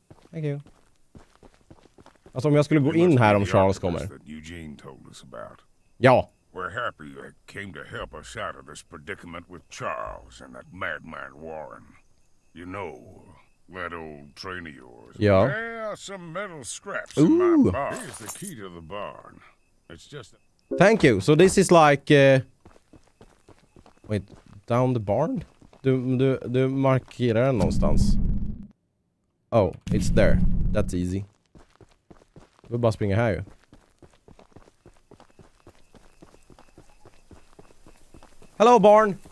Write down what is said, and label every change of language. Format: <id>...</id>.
<en>Thank you.</en> <sv>Alltså om jag skulle gå in här om Charles kommer.</sv> <en>Eugene told us about. Ja. We're happy you came to help us out of this predicament with Charles and that madman Warren. You know, that old train of yours.</en> <sv>Ja.</sv> <en>Yeah, some metal scraps. Ooh. In my bar. Here's the key to the barn. It's just a... Thank you. So this is like wait, down the barn?</en> <sv>Du markerar den någonstans.</sv> <en>Oh, it's there. That's easy.</en> <sv>Vi bara springer här ju.</sv> <en>Hello, barn!</en>